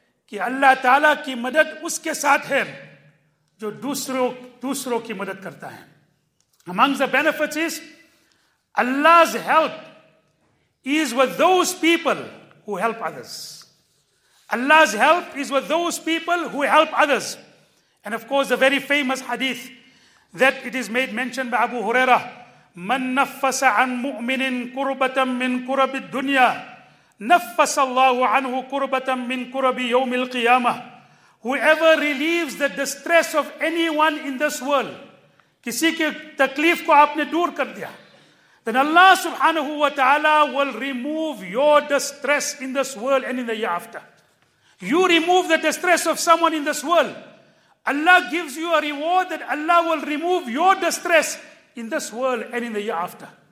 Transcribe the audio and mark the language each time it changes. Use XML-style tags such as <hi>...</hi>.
<ur>کہ اللہ تعالیٰ کی مدد اس کے ساتھ ہے جو دوسروں کی مدد کرتا ہے.</ur> <en>Among the benefits is Allah's help is with those people who help others. Allah's help is with those people who help others. And of course, the very famous hadith that it is made mentioned by Abu Huraira,</en> <ar>من نفس عن مؤمن قربة من قرب الدنيا نفس الله عنه قربة من قرب يوم القيامة.</ar> <en>Whoever relieves the distress of anyone in this world,</en> <ur>کسی کی تکلیف کو آپ نے دور کر دیا,</ur> <en>then Allah subhanahu wa ta'ala will remove your distress in this world and in the year after. You remove the distress of someone in this world, Allah gives you a reward that Allah will remove your distress in this world and in the year after.</en>